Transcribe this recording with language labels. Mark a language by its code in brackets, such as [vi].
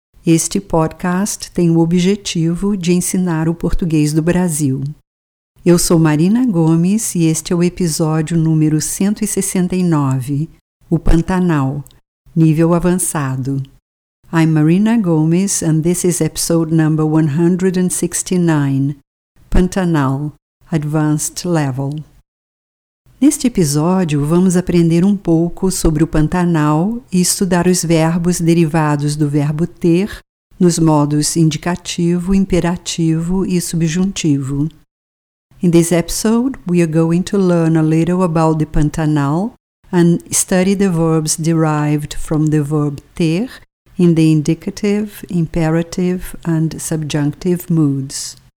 [pt] Este podcast tem o objetivo de ensinar o português do Brasil. Eu sou Marina Gomes e este é o episódio número 169, O Pantanal, Nível Avançado. [en] I'm Marina Gomes and this is episode number 169, Pantanal, Advanced Level. [pt] Neste episódio, vamos aprender um pouco sobre o Pantanal e estudar os verbos derivados do verbo ter nos modos indicativo, imperativo e subjuntivo. [en] In this episode, we are going to learn a little about the Pantanal and study the verbs derived from the verb ter in the indicative, imperative, and subjunctive moods.